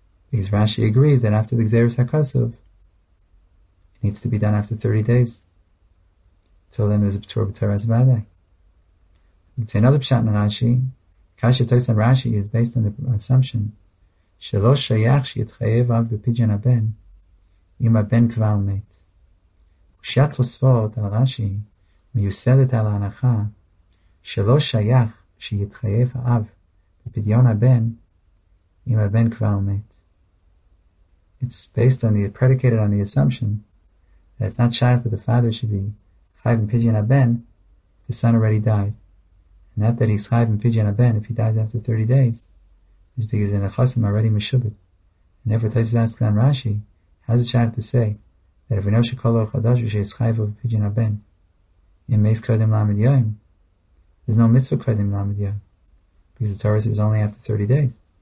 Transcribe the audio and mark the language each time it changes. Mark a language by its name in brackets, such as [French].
[English] Because Rashi agrees that after the Gzeres HaKosov, it needs to be done after 30 days. Till then there's a p'tur b'Torah HaZvadeh. You can say another pshat on Rashi. Kasha Tosan Rashi is based on the assumption [Hebrew] שלא שייך שיתחייב אב בפדיון הבן, אם הבן כבר מת. קושיית תוספות על רש"י מיוסדת על ההנחה שלא שייך שיתחייב האב בפדיון הבן, אם הבן כבר מת. [English] It's based on predicated on the assumption that it's not shy for the father should be chayv in pidyon haben if the son already died. And that he's chayv in pidyon haben if he dies after 30 days is because the nechasim already meshubit. And therefore Tosfos asks on Rashi, how's the child to say that if we know shekol or chadash v'she is chayv of pidyon haben in meis kodem lamed yoyim, there's no mitzvah kodem lamed yoyim because the Torah says only after 30 days.